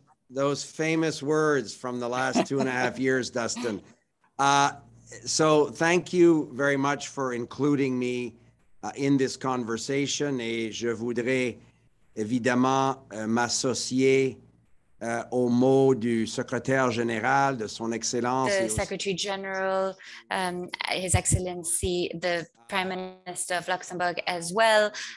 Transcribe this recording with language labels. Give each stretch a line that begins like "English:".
English: Those famous words from the last 2.5 years, Dustin. So thank you very much for including me in this conversation,
French: et je voudrais évidemment m'associer au mot du secrétaire général de son excellence.
English: The Secretary General, His Excellency, the Prime Minister of Luxembourg as well.